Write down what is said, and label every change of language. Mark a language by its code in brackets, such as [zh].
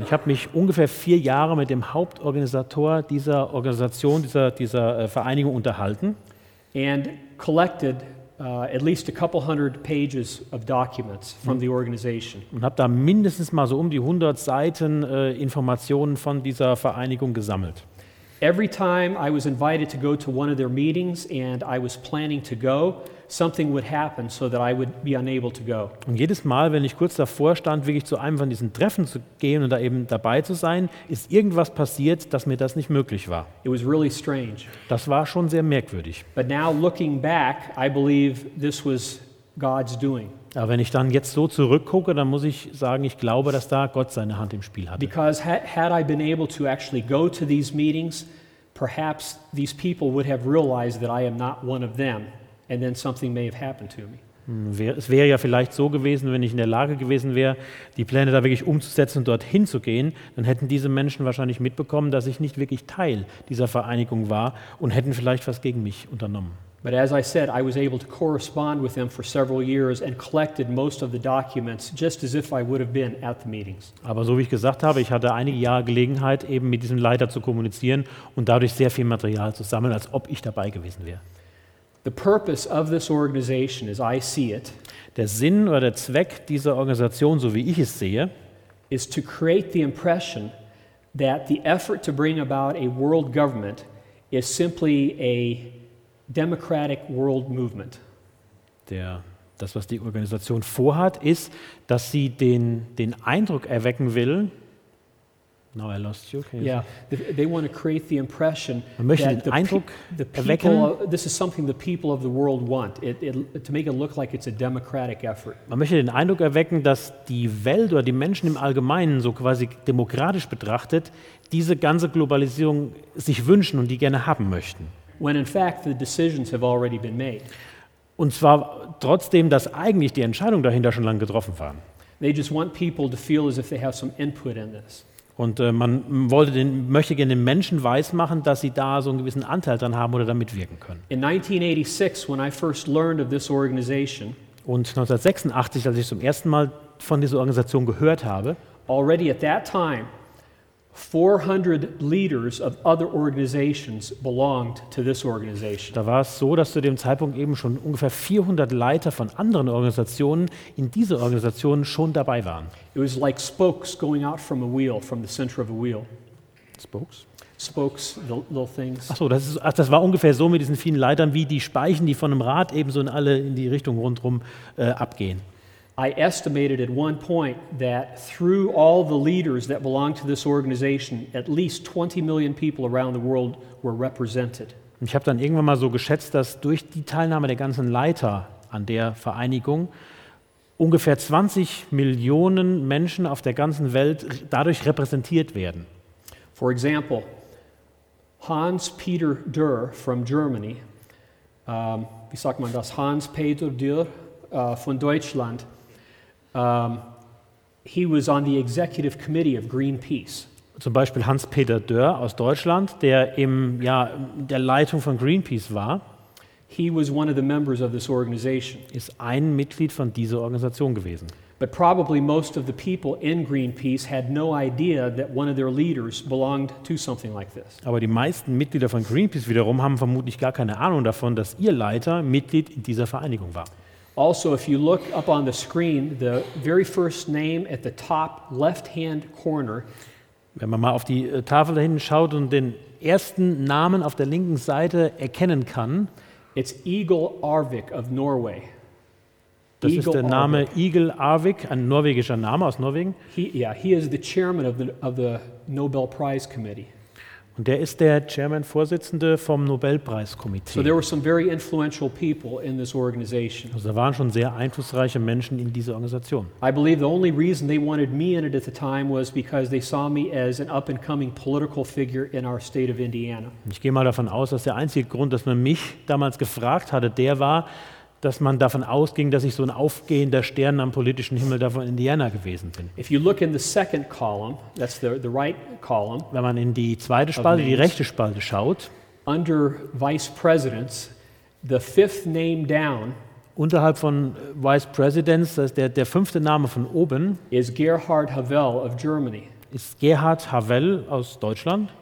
[de] Ich habe mich ungefähr 4 Jahre mit dem Hauptorganisator dieser Organisation, dieser Vereinigung unterhalten. [en] And collected at least a couple hundred pages of documents from the organization. [de] Und habe da mindestens mal so um die 100 Seiten Informationen von dieser Vereinigung gesammelt. [en] Every time I was invited to go to one of their meetings and I was planning to go, something would happen so that I would be unable to go. [de] Und jedes Mal, wenn ich kurz davor stand, wirklich zu einem von diesen Treffen zu gehen und da eben dabei zu sein, ist irgendwas passiert, dass mir das nicht möglich war. [en] It was really strange. [de] Das war schon sehr merkwürdig. [en] But now looking back, I believe this was God's doing. [de] Aber wenn ich dann jetzt so zurückgucke, dann muss ich sagen, ich glaube, dass da Gott seine Hand im Spiel hatte. [en] Because had I been able to actually go to these meetings, perhaps these people would have realized that I am not one of them. And then something may have happened to me. [de] Es wäre ja vielleicht so gewesen, wenn ich in der Lage gewesen wäre, die Pläne da wirklich umzusetzen und dorthin zu gehen, dann hätten diese Menschen wahrscheinlich mitbekommen, dass ich nicht wirklich Teil dieser Vereinigung war und hätten vielleicht was gegen mich unternommen. [en] But as I said, I was able to correspond with them for several years and collected most of the documents just as if I would have been at the meetings. [de] Aber so wie ich gesagt habe, ich hatte einige Jahre Gelegenheit, eben mit diesem Leiter zu kommunizieren und dadurch sehr viel Material zu sammeln, als ob ich dabei gewesen wäre. [en] The purpose of this organization, as I see it, [de] der Sinn oder der Zweck dieser Organisation, so wie ich es sehe, [en] is to create the impression that the effort to bring about a world government is simply a democratic world movement. [de] Das, was die Organisation vorhat, ist, dass sie den Eindruck erwecken will. [en] Now I lost you. Okay. Yeah, they want to create the impression that this is something the people of the world want. To make it look like it's a democratic effort. [de] Man möchte den Eindruck erwecken, dass die Welt oder die Menschen im Allgemeinen so quasi demokratisch betrachtet diese ganze Globalisierung sich wünschen und die gerne haben möchten. [en] When in fact the decisions have already been made. [de] Und zwar trotzdem, dass eigentlich die Entscheidungen dahinter schon lange getroffen waren. [en] They just want people to feel as if they have some input in this. [de] Und man möchte gerne den Menschen weismachen, dass sie da so einen gewissen Anteil dran haben oder da mitwirken können. [en] In 1986, when I first learned of this organization, [de] und 1986, als ich zum ersten Mal von dieser Organisation gehört habe, [en] already at that time, 400 leaders of other organizations belonged to this organization. [de] Da war es so, dass zu dem Zeitpunkt eben schon ungefähr 400 Leiter von anderen Organisationen in diese Organisation schon dabei waren. [en] It was like spokes going out from a wheel, from the center of a wheel. Spokes? Spokes, the little things. [de] Ach so, das war ungefähr so mit diesen vielen Leitern wie die Speichen, die von einem Rad eben so in alle in die Richtung rundherum abgehen. [en] I estimated at one point that through all the leaders that belong to this organization, at least 20 million people around the world were represented. [de] Ich habe dann irgendwann mal so geschätzt, dass durch die Teilnahme der ganzen Leiter an der Vereinigung ungefähr 20 Millionen Menschen auf der ganzen Welt dadurch repräsentiert werden. [en] For example, Hans-Peter Dürr from Germany, [de] wie sagt man das, Hans-Peter Dürr von Deutschland, [en] he was on the executive committee of Greenpeace. [de] Zum Beispiel Hans-Peter Dürr aus Deutschland, der im ja der Leitung von Greenpeace war. [en] He was one of the members of this organization. [de] Ist ein Mitglied von dieser Organisation gewesen. [en] But probably most of the people in Greenpeace had no idea that one of their leaders belonged to something like this. [de] Aber die meisten Mitglieder von Greenpeace wiederum haben vermutlich gar keine Ahnung davon, dass ihr Leiter Mitglied in dieser Vereinigung war. [en] Also, if you look up on the screen, the very first name at the top left-hand corner. [de] Wenn man mal auf die Tafel da hinten schaut und den ersten Namen auf der linken Seite erkennen kann. [en] It's Egil Arvik of Norway. [de] Das Egil ist der Name Egil Arvik, ein norwegischer Name aus Norwegen. [en] He is the chairman of the Nobel Prize Committee. [de] Und der ist der Chairman-Vorsitzende vom Nobelpreiskomitee. [en] So there were some very influential people in this organization. [de] Also da waren schon sehr einflussreiche Menschen in dieser Organisation. [en] I believe the only reason they wanted me in it at the time was because they saw me as an up-and-coming political figure in our state of Indiana. [de] Ich gehe mal davon aus, dass der einzige Grund, dass man mich damals gefragt hatte, der war, dass man davon ausging, dass ich so ein aufgehender Stern am politischen Himmel davon Indiana gewesen bin. [en] If you look in the second column, that's the right column. [de] Wenn man in die zweite Spalte, die rechte Spalte schaut, [en] under Vice Presidents, the fifth name down, [de] unterhalb von Vice Presidents, das ist der fünfte Name von oben, [en] is Gerhard Havel of Germany. [de] Ist Gerhard Havel aus Deutschland?